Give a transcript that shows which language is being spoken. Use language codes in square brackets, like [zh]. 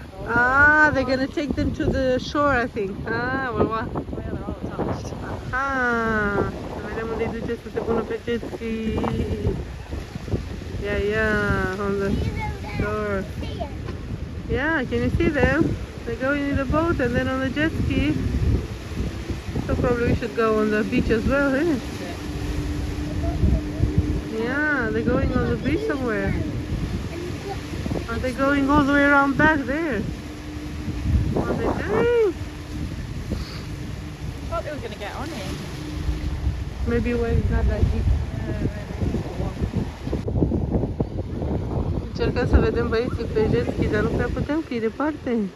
[en] Ah, they're gonna take them to the shore, I think. Ah, well, what? Ah, [ro] vedem unde-i duce să se pună pe jet ski. [en] Yeah, yeah, on the shore. Yeah, can you see them? They're going in the boat and then on the jet ski. So probably we should go on the beach as well, eh? Yeah, they're going on the beach somewhere. Are they going all the way around back there? What are they doing? I thought they were going to get on here. Maybe where is that like deep? [ro] Încercăm să vedem băieții pe jet ski, dar nu prea putem, că e departe.